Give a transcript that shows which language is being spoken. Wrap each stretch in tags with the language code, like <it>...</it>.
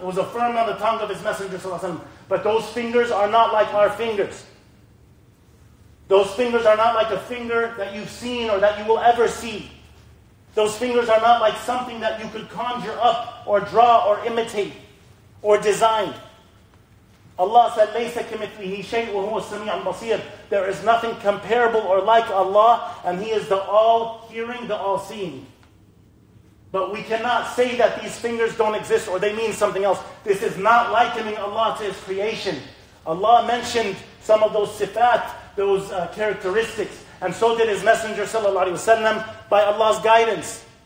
<en>It was affirmed on the tongue of His Messenger, sallallahu alaihi wasallam. But those fingers are not like our fingers. Those fingers are not like a finger that you've seen or that you will ever see. Those fingers are not like something that you could conjure up or draw or imitate or design.</en> <ar>Allah said, لَيْسَ كَمِثْلِهِ شَيْءٌ وَهُوَ السَّمِيعُ الْبَصِيرُ.</ar> <en>There is nothing comparable or like Allah, and He is the all-hearing, the all-seeing. But we cannot say that these fingers don't exist or they mean something else. This is not likening Allah to His creation. Allah mentioned some of those sifat, those characteristics, and so did His Messenger sallallahu alaihi wasallam by Allah's guidance.</en>